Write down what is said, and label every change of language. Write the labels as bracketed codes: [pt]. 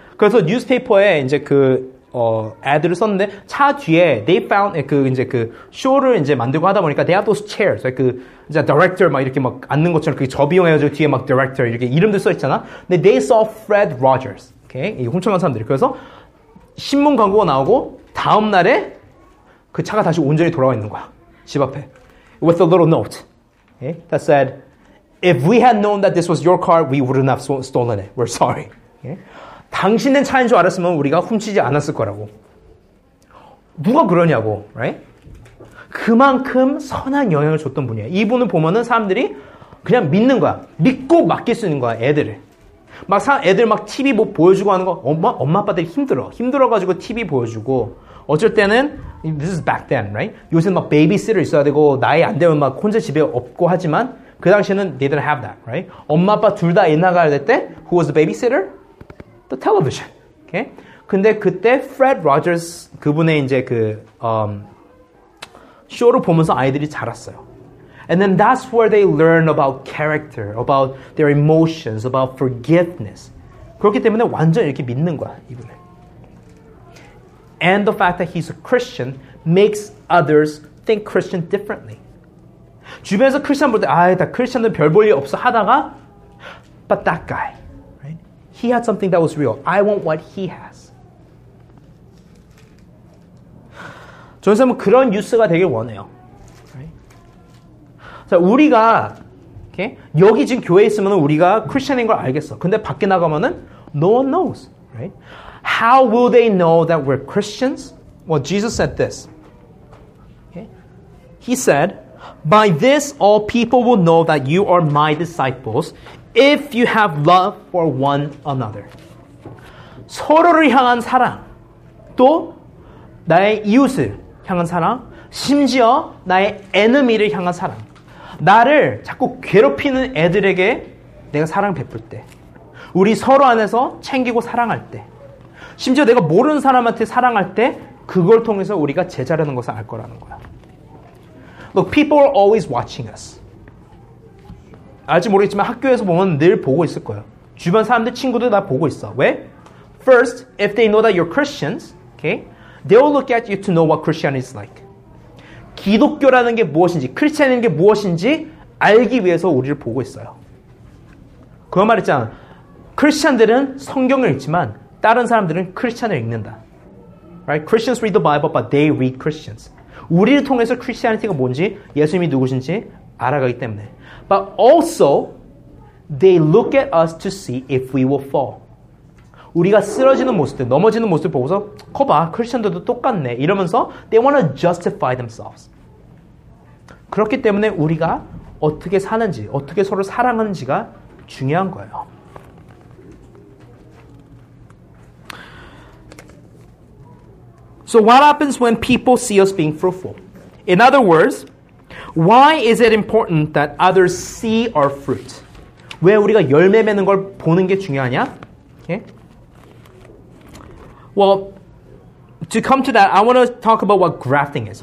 [ko] 그래서 뉴스페이퍼에 이제 그 애들을 썼는데 차 뒤에 [en] they found [ko] 그 이제 그 쇼를 이제 만들고 하다 보니까 [en] they have those chairs. [ko] 그 이제 director 막 이렇게 막 앉는 것처럼 그게 접이용해가지고 뒤에 막 director 이렇게 이름도 써있잖아. 근데 [en] they saw Fred Rogers. [ko] 오케이? 이 훔쳐간 사람들이. 그래서 신문 광고가 나오고 다음 날에 그 차가 다시 온전히 돌아와 있는 거야. 집 앞에. [en] With a little note. Okay? That said, if we had known that this was your car, we wouldn't have stolen it. We're sorry. Okay? [ko] 당신의 차인 줄 알았으면 우리가 훔치지 않았을 거라고. 누가 그러냐고. Right? 그만큼 선한 영향을 줬던 분이야. 이분을 보면은 사람들이 그냥 믿는 거야. 믿고 맡길 수 있는 거야. 애들을. 막 애들 막 TV 뭐 보여주고 하는 거 엄마 아빠들이 힘들어. 힘들어가지고 TV 보여주고 어쩔 때는 [en] this is back then, right? [ko] 요새 막 베이비시터 있어야 되고 나이 안 되면 막 혼자 집에 없고 하지만 그 당시에는 [en] they didn't have that, right? [ko] 엄마 아빠 둘 다 애 나가야 될 때 [en] who was the babysitter? The television. [ko] Okay? 근데 그때 Fred Rogers 그분의 이제 그 쇼를 보면서 아이들이 자랐어요. [en] And then that's where they learn about character, about their emotions, about forgiveness. [ko] 그렇기 때문에 완전 이렇게 믿는 거야, 이분을. [en] And the fact that he's a Christian makes others think Christian differently. [ko] 주변에서 크리스천 볼 때, 아이, 다 크리스천은 별 볼 일 없어 하다가, [en] but that guy, right? He had something that was real. I want what he has. [ko] 저는 사실 그런 뉴스가 되길 원해요. 자, 우리가, 이렇게, 여기 지금 교회에 있으면 우리가 크리스천인 걸 알겠어. 근데 밖에 나가면은, [en] no one knows, right? How will they know that we're Christians? Well, Jesus said this. Okay? He said, by this all people will know that you are my disciples if you have love for one another. [ko] 서로를 향한 사랑, 또 나의 이웃을 향한 사랑, 심지어 나의 enemy를 향한 사랑. 나를 자꾸 괴롭히는 애들에게 내가 사랑 베풀 때 우리 서로 안에서 챙기고 사랑할 때 심지어 내가 모르는 사람한테 사랑할 때 그걸 통해서 우리가 제자라는 것을 알 거라는 거야. [en] Look, people are always watching us. [ko] 알지 모르겠지만 학교에서 보면 늘 보고 있을 거야. 주변 사람들, 친구들 다 보고 있어. 왜? [en] First, if they know that you're Christians, okay, they will look at you to know what Christianity is like. [ko] 기독교라는 게 무엇인지, 크리스천이라는 게 무엇인지 알기 위해서 우리를 보고 있어요. 그 말 있잖아. 크리스천들은 성경을 읽지만 다른 사람들은 크리스천을 읽는다. [en] Right? Christians read the Bible, but they read Christians. [ko] 우리를 통해서 크리스천이티가 뭔지, 예수님이 누구신지 알아가기 때문에. [en] But also, they look at us to see if we will fall. [ko] 우리가 쓰러지는 모습들, 넘어지는 모습을 보고서 거 봐, 크리스천들도 똑같네 이러면서 [en] they want to justify themselves. [ko] 그렇기 때문에 우리가 어떻게 사는지, 어떻게 서로 사랑하는지가 중요한 거예요. 그래서 [en] so what happens when people see us being fruitful? In other words, why is it important that others see our fruit? [ko] 왜 우리가 열매 맺는 걸 보는 게 중요하냐? [en] Okay? Well, to come to that, I want to talk about what grafting is.